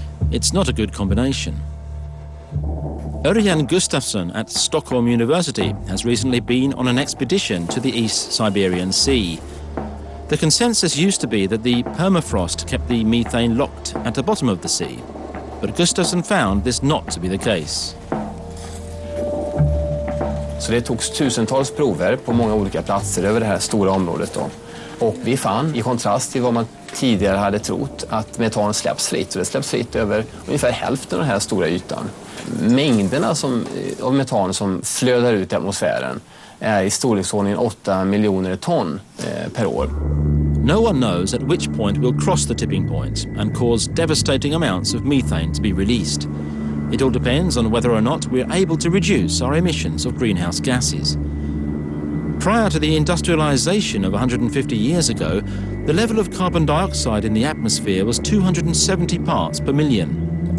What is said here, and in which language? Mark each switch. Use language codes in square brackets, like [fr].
[sv] It's not a good combination. Örjan Gustafsson at Stockholm University has recently been on an expedition to the East Siberian Sea. The consensus used to be that the permafrost kept the methane locked at the bottom of the sea, but Gustafsson found this not to be the case. Så det togs tusentals prover på många olika platser över det här stora området då. Och vi fann, i kontrast till vad man tidigare hade trott, att metan släpps fritt. Och det släpps fritt över ungefär hälften av den här stora ytan. Mängderna som, av metan som flödar ut i atmosfären är i storleksordningen 8 miljoner ton per år. [en] No one knows at which point we'll cross the tipping point and cause devastating amounts of methane to be released. It all depends on whether or not we're able to reduce our emissions of greenhouse gases. Prior to the industrialization of 150 years ago, the level of carbon dioxide in the atmosphere was 270 parts per million.